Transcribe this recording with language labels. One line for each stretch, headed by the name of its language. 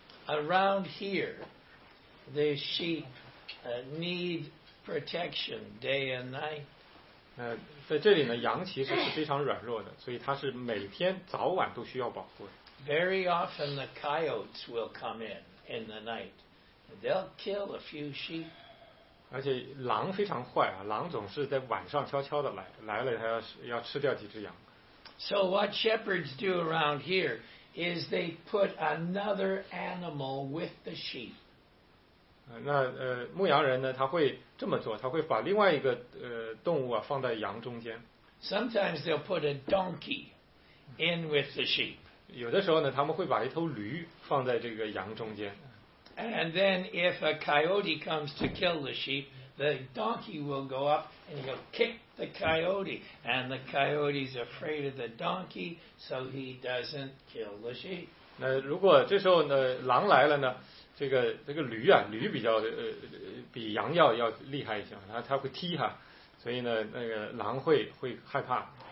English: Around here, the sheep need protection day and night.
Chinese: 在这里呢，羊其实是非常软弱的，所以它是每天早晚都需要保护的。
English: Very often the coyotes will come in the night. They'll kill a few sheep.
Chinese: 而且狼非常坏啊，狼总是在晚上悄悄的来，来了它要吃掉几只羊。
English: So what shepherds do around here is they put another animal with the sheep.
Chinese: 牧羊人呢，他会这么做，他会把另外一个动物啊放在羊中间。
English: Sometimes they'll put a donkey in with the sheep.
Chinese: 有的时候呢，他们会把一头驴放在这个羊中间。
English: And then if a coyote comes to kill the sheep, the donkey will go up and he'll kick the coyote. And the coyote's afraid of the donkey, so he doesn't kill the sheep.
Chinese: 那如果这时候呢，狼来了呢，这个驴啊，驴比较比羊要厉害一些，它会踢哈，所以呢，那个狼会害怕。